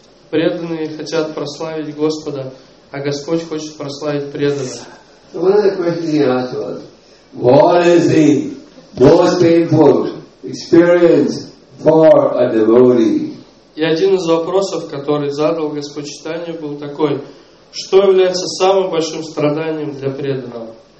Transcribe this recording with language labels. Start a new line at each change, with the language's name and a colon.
Russian: Преданные хотят прославить Господа, а Господь хочет прославить преданных.
English: One of the questions he asked was, what is the most painful experience for a devotee?
Russian: И один из вопросов, который задал Господь Чайтанья, был такой: что является самым большим страданием для преданного?